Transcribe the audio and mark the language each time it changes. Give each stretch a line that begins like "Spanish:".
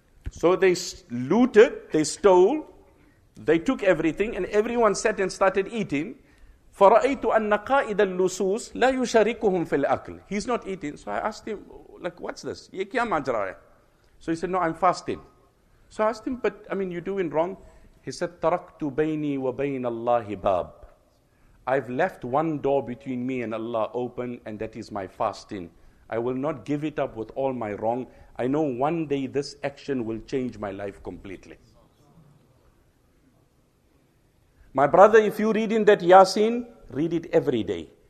English: So they looted, they stole, they took everything, and everyone sat and started eating.
Arabic: فَرَأَيْتُ أَنَّ قَائِدَ اللُّسُوسِ لَا يُشَارِكُهُمْ فِي الْأَكْلِ.
English: He's not eating. So I asked him, like, what's this?
Hindi: ये क्या माजरा है?
English: So he said, no, I'm fasting. So I asked him, but I mean, you're doing wrong. He said,
Arabic: تَرَكْتُ بَيْنِي وَبَيْنَ اللَّهِ بَابٍ.
English: I've left one door between me and Allah open, and that is my fasting. I will not give it up with all my wrong. I know one day this action will change my life completely. My brother, if you're reading that Yasin, read it every day.